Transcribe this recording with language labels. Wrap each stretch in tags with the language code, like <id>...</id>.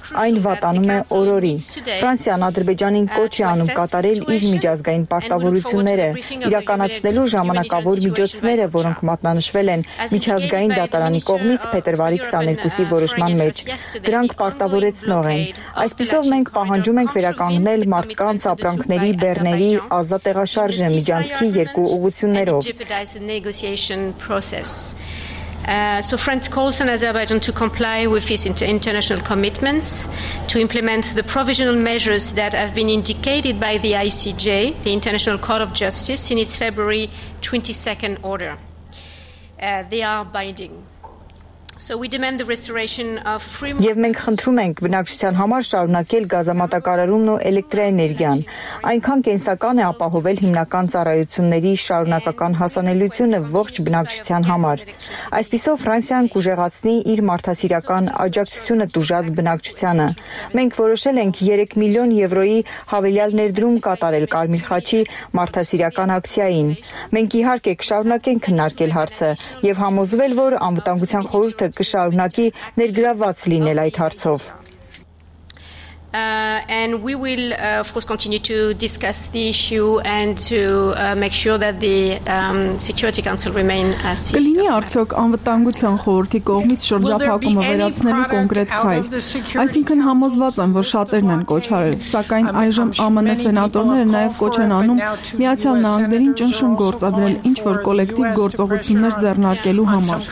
<hy>Այն վատանում է օրորի։ Ֆրանսիան Ադրբեջանին կոչ է անում կատարել իր միջազգային պարտավորությունները, իրականացնելու ժամանակավոր միջոցները, որոնք մատնանշվել են միջազգային դատարանի կողմից փետրվարի 22-ի որոշման մեջ։ Դրանք պարտավորեցնող են։ Այսպիսով մենք պահանջում ենք վերականգնել մարդկանց ապրանքների, բեռների ազատ տեղաշարժը միջանցքի երկու ուղություններով։</hy> <en>So France calls on Azerbaijan to comply with its international commitments, to implement the provisional measures that have been indicated by the ICJ, the International Court of Justice, in its February 22nd order. They are binding. So we demand the restoration of free</en> <hy>market. Եվ մենք խնդրում ենք բնակչության համար շարունակել գազամատակարարումն ու էլեկտրաէներգիան։ Այնքան կենսական է ապահովել հիմնական ծառայությունների շարունակական հասանելիությունը ողջ բնակչության համար։ Այսպիսով Ֆրանսիան կուժեղացնի իր մարդասիրական աջակցությունը տուժած բնակչությանը։ Մենք որոշել ենք 3 միլիոն եվրոյի հավելյալ ներդրում կատարել Կարմիր խաչի մարդասիրական ակցիային։ Մենք իհարկե կշարունակենք քննարկել հարցը եւ համոզվել, որ անվտանգության խորհուրդը կշարունակի ներգրավված լինել այդ հարցով։</hy> <en>And we will, of course, continue to discuss the issue and to make sure that the Security Council remain as is.</en> <hy>Կլինի արդյոք անվտանգության խորհրդի կողմից շրջափակումը վերացնելու կոնկրետ քայլ։ Այսինքն համոզված եմ, որ շատերն են կոչարել, սակայն այժմ ԱՄՆ սենատորները նաև կոչ են անում Միացյալ Նահանգներին ճնշում գործադրել ինչ-որ կոլեկտիվ գործողություններ ձեռնարկելու համար։</hy>